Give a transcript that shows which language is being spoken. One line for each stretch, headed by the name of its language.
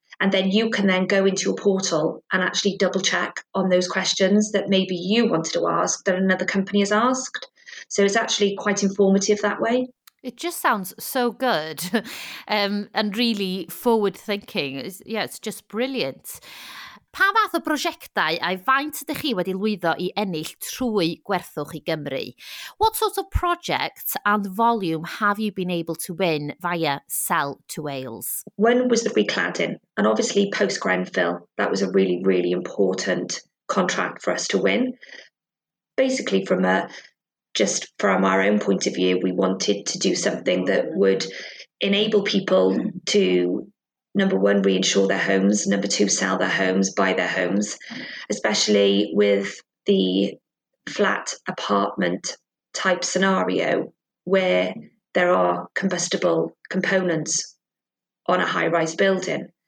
English: And then you can then go into your portal and actually double check on those questions that maybe you wanted to ask that another company has asked. So it's actually quite informative that way. It just sounds so good and really forward thinking. It's just brilliant.
Welsh: Pa fath o brosiectau a'i faint ydych chi wedi lwyddo I ennill trwy GwerthwchiGymru?
English: What sort of projects and volume have you been able to win via Sell to Wales? One was the recladding, and obviously post-Grenfell, that was a really, really important contract for us to win. Basically, from our own point of view, we wanted to do something that would enable people to, number one, reinsure their homes, number two, sell their homes, buy their homes, especially with the flat apartment type scenario where there are combustible components on a high-rise building.